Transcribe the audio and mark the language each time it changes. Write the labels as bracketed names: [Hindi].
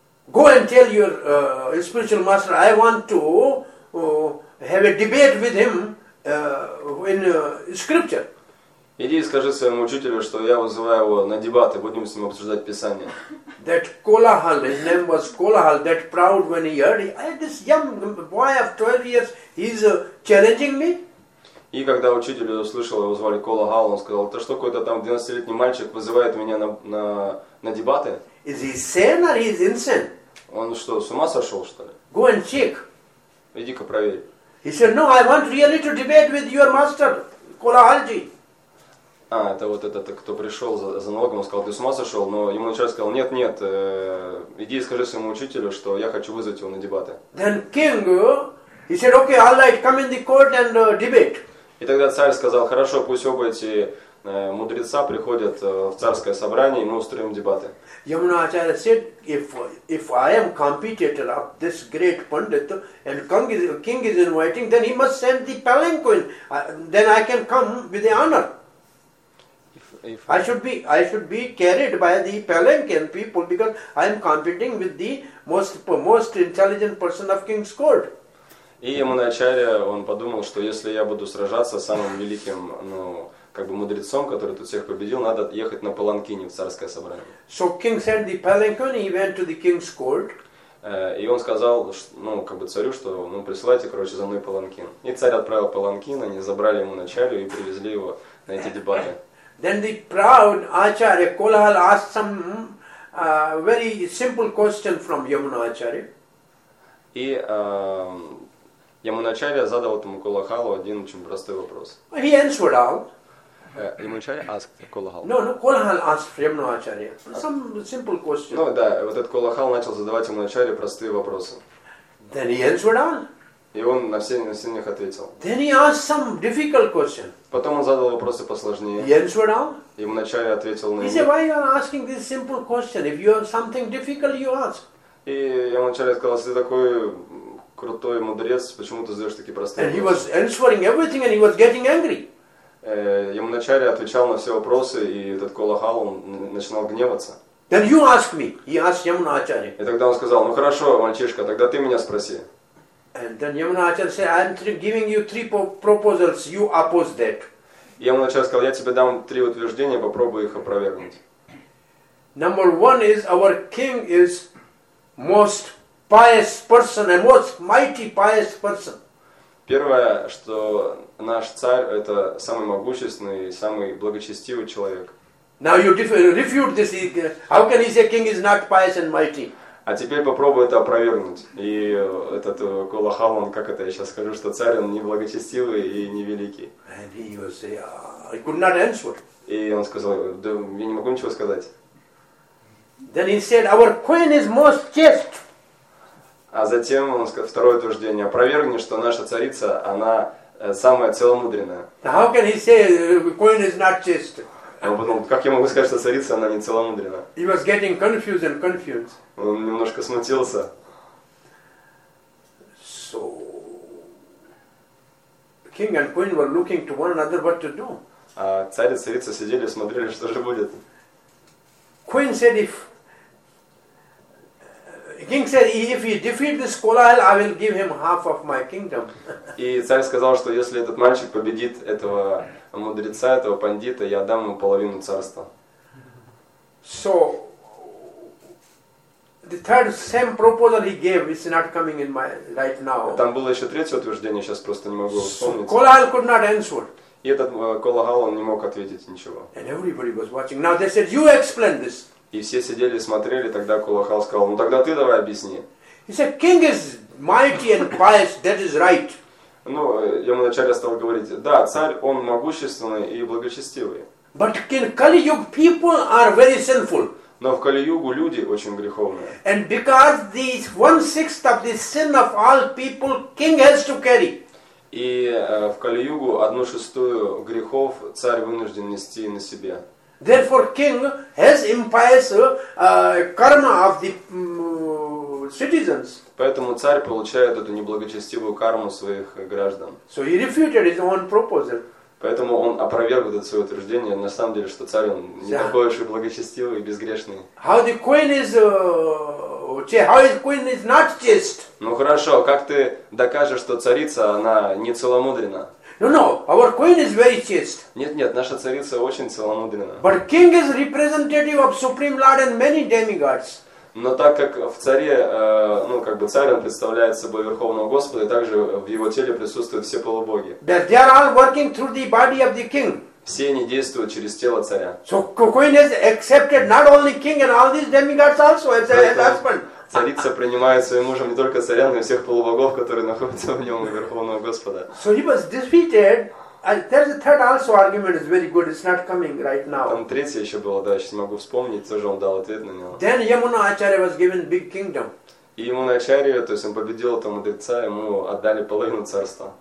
[English] Go and tell your spiritual master, I want to have a debate with him in scripture. [Russian] Иди и скажи своему учителю, что я вызываю его на дебаты, будем с ним обсуждать Писание. [English] That Kolahal, his name was Kolahal, that proud when he heard, this young boy of 12 years, he's challenging me. [Russian] И когда учитель услышал, его звали Kolahal, он сказал, то что какой-то там 12-летний мальчик вызывает меня на дебаты? [English] Is he sane or is he insane? [Russian] Он что, с ума сошел, что ли? [English] Go and check. [Russian] Иди-ка проверь. [English] He said, no, I want really to debate with your master, Kolahalji. [Russian] А, это вот этот, кто пришел за налогом, он сказал, ты с ума сошел, но ему начальник сказал, нет, иди и скажи своему учителю, что я хочу вызвать его на дебаты. [English] Then king, he said, okay, all right, come in the court and debate. [Russian] И тогда царь сказал, хорошо, пусть оба эти мудреца приходят в царское собрание, и мы устроим дебаты. [English] Yamuna Acharya said, if I am competitor of this great pundit, and king is inviting, then he must send the palanquin, then I can come with the honor. I should be carried by the palanquin people because I am competing with the most intelligent person of king's court. [Russian] И Yamuna Acharya, он подумал, что если я буду сражаться с самым великим, ну, как бы мудрецом, который тут всех победил, надо ехать на паланкине в царское собрание. [English] So king sent the palanquin, he went to the king's court. [Russian] И он сказал, ну, как бы царю, что, ну, присылайте, короче, за мной паланкин. И царь отправил паланкин, они забрали Yamuna Acharya и привезли его на эти дебаты. [English] Then the proud Acharya Kolahal asked some very simple question from Yamuna Acharya. [Russian] И Yamuna Acharya задал этому Kolahalу один очень простой вопрос. [English] He answered all. Yamuna Acharya asked Kolahal. No, Kolahal asked Yamuna Acharya some simple question. [Russian] Ну да, вот этот Kolahal начал задавать Yamuna Acharya простые вопросы. [English] Then he answered all. [Russian] И он на все них ответил. [English] Then he asked some difficult question. [Russian] Потом он задал вопросы посложнее. [English] He answered all. [Russian] И вначале ответил на. [English] He said, why are you asking this simple question? If you have something difficult, you ask. [Russian] И я вначале сказал, если ты такой крутой мудрец, почему ты задаешь такие простые [English] and And he was answering everything, and he was getting angry. [Russian] Я вначале отвечал на все вопросы, и этот Kolahal начинал гневаться. [English] Then you ask me. He asked Yamuna Acharya. [Russian] И тогда он сказал, ну хорошо, мальчишка, тогда ты меня спроси. [English] And then Yamuna Acharya said, I'm giving you 3 proposals, you oppose that. [Russian] Yamuna Acharya сказал, я тебе дам 3 утверждения, попробуй их опровергнуть. [English] Number one is, our king is most pious person, and most mighty pious person. [Russian] Первое, что наш царь это самый могущественный, самый благочестивый человек. [English] Now you refute this, how can he say king is not pious and mighty? [Russian] А теперь попробуй это опровергнуть. И этот Kolahal, он, как это я сейчас скажу, что царь, он неблагочестивый и невеликий. [English] And he would say, I could not answer. [Russian] И он сказал, да я не могу ничего сказать. [English] Then he said, our queen is most chaste. [Russian] А затем он сказал, второе утверждение, опровергни, что наша царица, она самая целомудренная. [English] How can he say, queen is not chaste? [Russian] Он подумал, как я могу сказать, что царица, она не целомудрена? [English] He was getting confused and confused. [Russian] Он немножко смутился. [English] So, king and queen were looking to one another what to do. [Russian] А царь и царица сидели, смотрели, что же будет. [English] Queen said, if king said, if he defeat this Kolahal, I will give him half of my kingdom. [Russian] И царь сказал, что если этот мальчик победит этого мудреца, этого пандита, я дам ему половину царства. [English] So, the third same proposal he gave is not coming in my right now. [Russian] Там было еще третье утверждение, сейчас просто не могу вспомнить. [English] Kolahal could not answer. [Russian] И этот Kolahal, он не мог ответить ничего. [English] And everybody was watching. Now they said, you explain this. [Russian] И все сидели и смотрели, тогда Kolahal сказал, ну тогда ты давай объясни. [English] He said, king is mighty and pious, that is right. [Russian] Ну, Yamuna Acharya стал говорить, да, царь, он могущественный и благочестивый. [English] But in Kali Yuga, people are very sinful. [Russian] Но в Кали-Югу люди очень греховные. [English] And because this 1/6 of the sin of all people, king has to carry. [Russian] И в Кали-Югу 1/6 грехов царь вынужден нести на себе. [English] Therefore, king has impious karma of the citizens. [Russian] Поэтому царь получает эту неблагочестивую карму своих граждан. [English] So he refuted his own proposal. [Russian] Поэтому он опроверг вот это свое утверждение, на самом деле, что царь он не такой уж и благочестивый и безгрешный. [English] How the queen is, how the queen is not chaste? [Russian] Ну хорошо, как ты докажешь, что царица она не целомудрена? [English] No, no, our queen is very chaste. [Russian] Нет, нет, наша царица очень целомудрена. [English] But king is representative of supreme lord and many demigods. [Russian] Но так как в царе, ну, как бы царь, он представляет собой Верховного Господа, и также в его теле присутствуют все полубоги. That they are all working through the body of the king. Все они действуют через тело царя. [English] So queen has accepted not only king and all these demigods also as a husband. [Russian] Царица принимает своим мужем не только царя, но и всех полубогов, которые находятся в нем, Верховного Господа. [English] So he was defeated. And there's a third also argument is very good. It's not coming right now. [Russian] Там третье еще было, да, сейчас могу вспомнить, тоже он дал ответ на него. [English] Then Yamuna Acharya was given big kingdom. [Russian] И Yamuna Acharya, то есть он победил этого мудреца, ему отдали половину царства.